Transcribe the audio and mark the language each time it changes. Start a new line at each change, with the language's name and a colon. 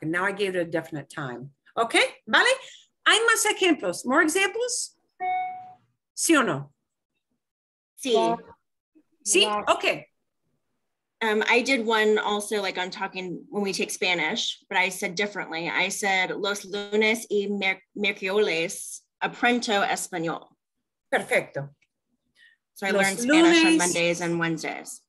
English: And now I gave it a definite time.
Spanish: Okay, vale? Hay más ejemplos.
English: More examples?
Spanish: Sí o no? Sí.
English: Yeah.
Spanish: Sí?
English: Yeah. Okay. I did one also, like I'm talking when we take Spanish, but I said differently. I said,
Spanish: los lunes y miércoles aprendo español. Perfecto.
English: So I learned Spanish on Mondays and Wednesdays.